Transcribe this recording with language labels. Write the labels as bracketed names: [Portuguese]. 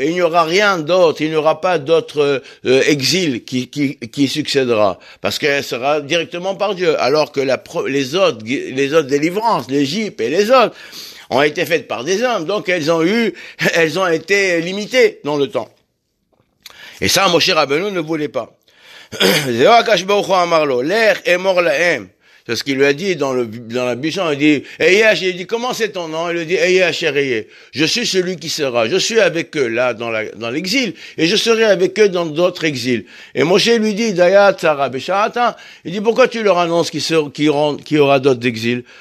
[French] Et il n'y aura rien d'autre, il n'y aura pas d'autre exil qui succédera. Parce qu'elle sera directement par Dieu. Alors que les autres délivrances, l'Égypte et les autres, ont été faites par des hommes. Donc elles ont été limitées dans le temps. Et ça, Moshe Rabbeinu ne voulait pas. [Hebrew] זהו הקדוש ברוך הוא אמר לו, לך אמור להם. [French] C'est ce qu'il lui a dit dans la buisson. Il dit, Eyash, il dit, comment c'est ton nom? Il lui dit, Eyash, Eyash, je suis celui qui sera. Je suis avec eux, là, dans l'exil. Et je serai avec eux dans d'autres exils. Et Moshe lui dit, Dayat, Sarah, Bécharatin. Il dit, pourquoi tu leur annonces qu'il aura d'autres exils?